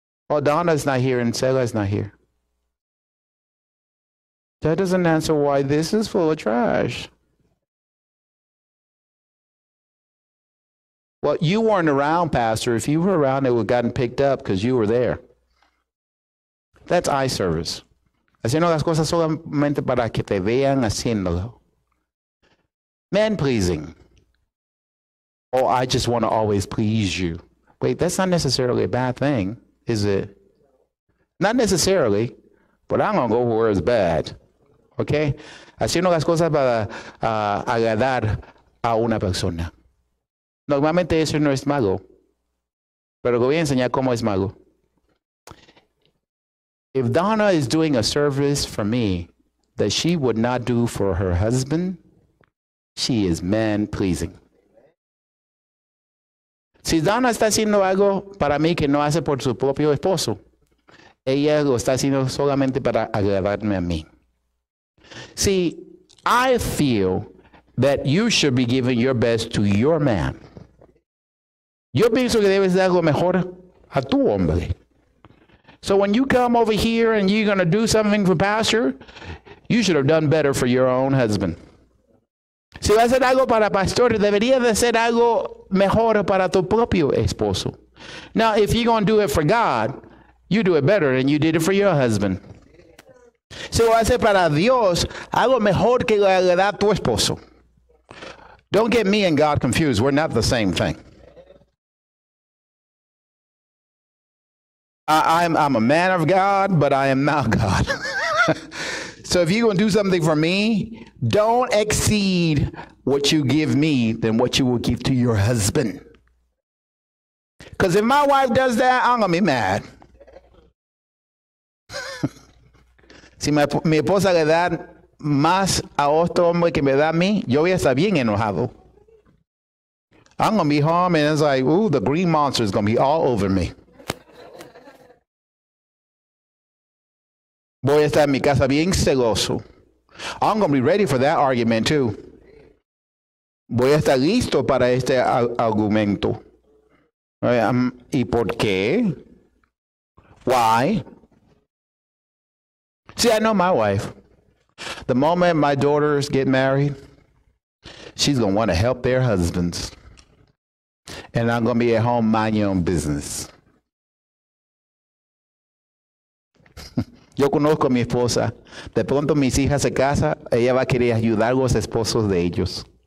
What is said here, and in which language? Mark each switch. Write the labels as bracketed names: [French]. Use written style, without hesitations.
[English] Oh, Donna's not here and Sheila's not here. That doesn't answer why this is full of trash. Well, you weren't around, Pastor. If you were around, it would have gotten picked up because you were there. That's eye service. [Spanish] Haciendo las cosas solamente para que te vean haciéndolo. [English] Man pleasing. Oh, I just want to always please you. Wait, that's not necessarily a bad thing, is it? Not necessarily, but I'm going to go where it's bad. Okay? [Spanish] Haciendo las cosas para agradar a una persona. Normalmente eso no es malo, pero lo voy a enseñar cómo es malo. [English] If Donna is doing a service for me that she would not do for her husband, she is man-pleasing. [Spanish] Si Donna está haciendo algo para mí que no hace por su propio esposo, ella lo está haciendo solamente para agradarme a mí. [English] See, I feel that you should be giving your best to your man. [Spanish] Yo pienso que debes dar lo mejor a tu hombre. [English] So when you come over here and you're going to do something for pastor, you should have done better for your own husband. [Spanish] Si vas a hacer algo para pastor, deberías de hacer algo mejor para tu propio esposo. [English] Now, if you're going to do it for God, you do it better than you did it for your husband. [Spanish] Si vas a hacer para Dios, algo mejor que agradar a tu esposo. [English] Don't get me and God confused. We're not the same thing. I'm a man of God, but I am not God. So if you're going to do something for me, don't exceed what you give me than what you will give to your husband. Because if my wife does that, I'm going to be mad. [Spanish] Si mi esposa le da más a otro hombre que me da a mí, yo voy a estar bien enojado. [English] I'm going to be home and it's like, ooh, the green monster is going to be all over me. [Spanish] Voy a estar en mi casa bien celoso. [English] I'm going to be ready for that argument too. [Spanish] Voy a estar listo para este argumento. ¿Y por qué? [English] Why? See, I know my wife. The moment my daughters get married, she's going to want to help their husbands. And I'm going to be at home minding your own business. [Spanish] Yo conozco a mi esposa. De pronto mis hijas se casan, ella va a querer ayudar a los esposos de ellos.